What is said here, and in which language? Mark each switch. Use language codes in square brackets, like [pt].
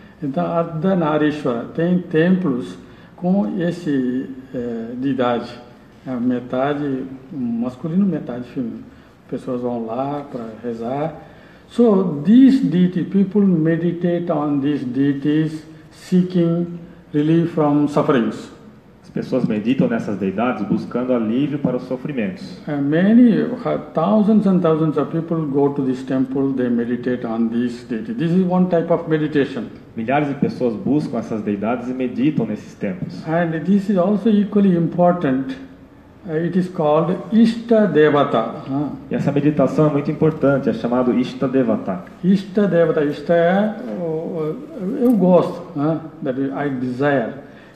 [pt] Então, Ardha Nari Ishvara tem templos com esse de idade, metade masculino, metade feminino. Pessoas vão lá para rezar. [en] So these deities, people meditate on these deities, seeking relief from sufferings. [pt] As As pessoas meditam nessas deidades buscando alívio para os sofrimentos. [en] And many thousands and thousands of people go to this temple, they meditate on this deity. This is one type of meditation. [pt] Milhares de pessoas buscam essas deidades e meditam nesses templos. [en] And this is also equally important. It is called Ishta Devata. [pt] E essa meditação é muito importante, é chamado Ishta Devata. Ishta Devata, Ishta é eu gosto, [en] that I desire.